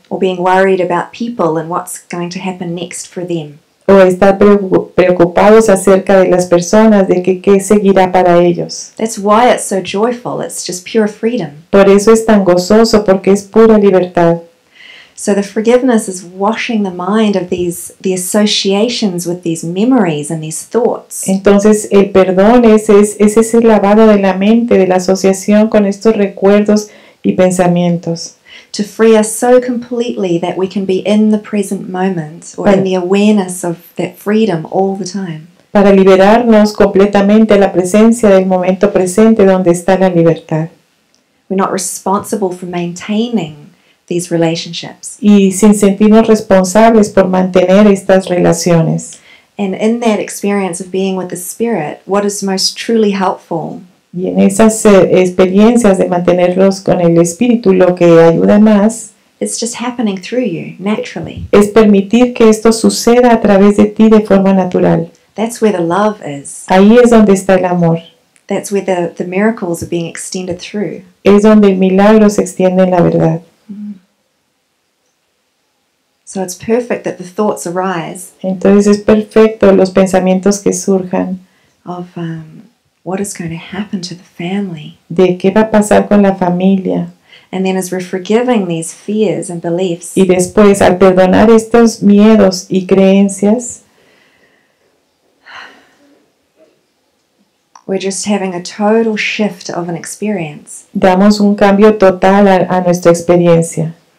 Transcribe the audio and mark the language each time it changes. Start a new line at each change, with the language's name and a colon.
English: Or being worried about people and what's going to happen next for them.
Spanish: O estar preocupados acerca de las personas, de qué seguirá para ellos.
English: That's why it's so joyful. It's just pure freedom.
Spanish: Por eso es tan gozoso, porque es pura libertad.
English: So the forgiveness is washing the mind of the associations with these memories and these thoughts.
Spanish: Entonces el perdón es ese lavado de la mente, de la asociación con estos recuerdos y pensamientos.
English: To free us so completely that we can be in the present moment or in the awareness of that freedom all the time.
Spanish: Para liberarnos completamente a la presencia del momento presente donde está la libertad.
English: We're not responsible for maintaining these relationships.
Spanish: Y sin sentirnos responsables por mantener estas relaciones.
English: And in that experience of being with the Spirit, what is most truly helpful?
Spanish: Y en esas experiencias de mantenerlos con el Espíritu, lo que ayuda más,
English: it's just happening through you, naturally.
Spanish: Es permitir que esto suceda a través de ti de forma natural.
English: That's where the love is.
Spanish: Ahí es donde está el amor.
English: That's where the miracles are being extended through.
Spanish: Es donde el milagro se extiende en la verdad.
English: So it's perfect that the thoughts arise.
Spanish: Entonces es perfecto los pensamientos que surjan.
English: Of what is going to happen to the family.
Spanish: De qué va a pasar con la familia.
English: And then as we're forgiving these fears and beliefs.
Spanish: Y después al perdonar estos miedos y creencias.
English: We're just having a total shift of an experience.
Spanish: Damos un cambio total a nuestra experiencia.